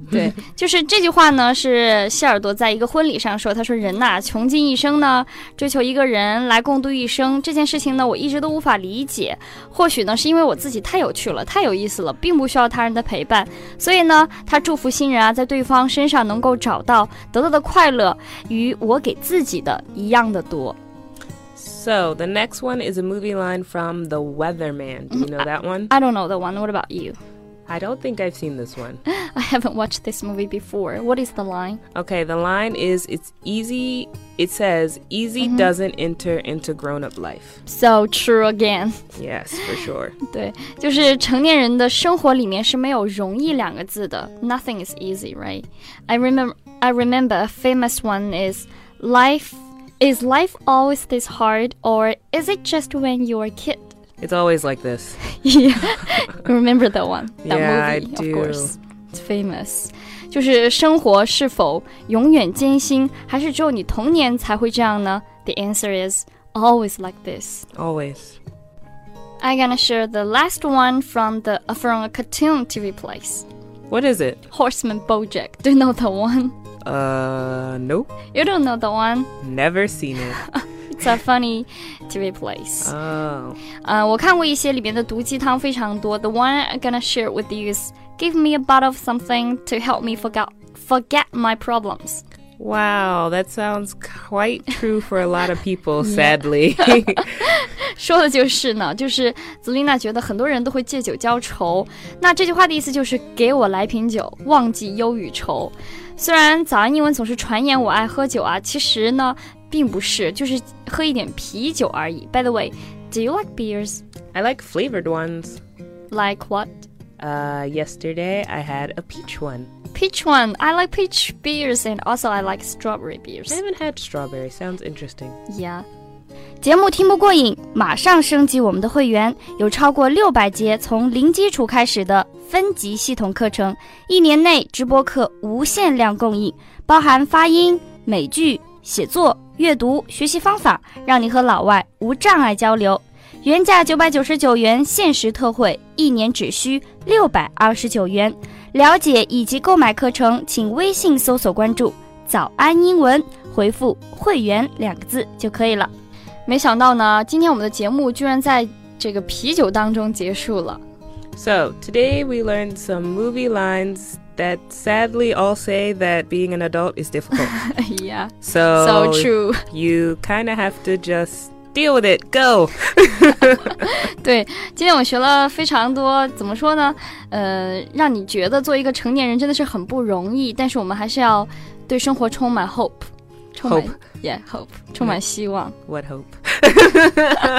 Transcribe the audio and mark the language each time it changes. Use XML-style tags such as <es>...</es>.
<zh>对，就是这句话呢，是希尔多在一个婚礼上说，他说人呐，穷尽一生呢，追求一个人来共度一生，这件事情呢，我一直都无法理解。或许呢，是因为我自己太有趣了，太有意思了，并不需要他人的陪伴。所以呢，他祝福新人啊，在对方身上能够找到，得到的快乐与我给自己的一样的多。</zh> <en>So, the next one is a movie line from The Weatherman. Do you know that one? I don't know the one. What about you? I don't think I've seen this one. I haven't watched this movie before. What is the line? Okay, the line is, it's easy. It says, easy、mm-hmm. doesn't enter into grown-up life. So true again. Yes, for sure.</en> <zh>对，就是成年人的生活里面是没有容易两个字的。</zh> <en>Nothing is easy, right? I remember a famous one is, life always this hard, or is it just when you're a kid? It's always like this. Yeah, remember that one? That yeah, movie, I do. Of course. It's famous.</en> <zh>就是生活是否永远艰辛，还是只有你童年才会这样呢？</zh> <en>The answer is always like this. Always. I'm gonna share the last one from a cartoon TV place. What is it? Horseman Bojack. Do you know the one? Nope. You don't know the one? Never seen it. It's a funny TV place. Oh.</en> <zh>我看过一些里面的毒鸡汤非常多。</zh> <en>The one I'm gonna share with you is, give me a bottle of something to help me forget my problems. Wow, that sounds quite true for a lot of people, sadly.</en> <zh>说的就是呢，就是 Zelina 觉得很多人都会借酒浇愁。那这句话的意思就是给我来瓶酒，忘记忧与愁。虽然早安英文总是传言我爱喝酒啊，其实呢并不是，就是喝一点啤酒而已。</zh> <en>By the way, do you like beers? I like flavored ones. Like what? Yesterday I had a peach one. Peach one? I like peach beers and also I like strawberry beers. I haven't had strawberry, sounds interesting. Yeah.</en> <zh>节目听不过瘾，马上升级我们的会员，有超过600节从零基础开始的分级系统课程，一年内直播课无限量供应，包含发音、美剧、写作、阅读、学习方法，让你和老外无障碍交流。原价999元，限时特惠，一年只需629元。了解以及购买课程，请微信搜索关注“早安英文”，回复“会员”两个字就可以了。没想到呢，今天我们的节目居然在这个啤酒当中结束了。</zh> <en>So, today we learned some movie lines that sadly all say that being an adult is difficult. Yeah, so true. You kind of have to just deal with it, go!</en> <zh>对，今天我学了非常多，怎么说呢？让你觉得做一个成年人真的是很不容易，但是我们还是要对生活充满 hope.</zh> <en>Hope. Yeah, hope.</en> <zh>充满希望。</zh> <en>What hope?</en>